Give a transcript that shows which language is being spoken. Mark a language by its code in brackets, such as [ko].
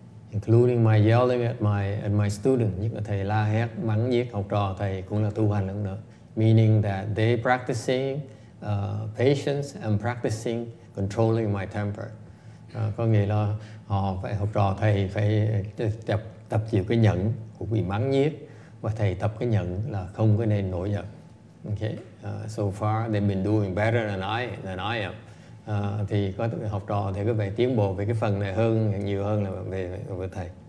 [en] Including my yelling at my students. [vi] Nhất là thầy la hét, mắng nhiếc học trò thầy cũng là tu hành lắm nữa. [en] Meaning that they practicing patience and practicing controlling my temper. [vi] Có nghĩa là họ phải học trò thầy phải tập chịu cái nhẫn của bị mắng nhiếc và thầy tập cái nhẫn là không có nên nổi giận. [en] Okay. So far they've been doing better than I am. [vi] Thì có học trò thì có vẻ tiến bộ về cái phần này hơn nhiều hơn là về thầy.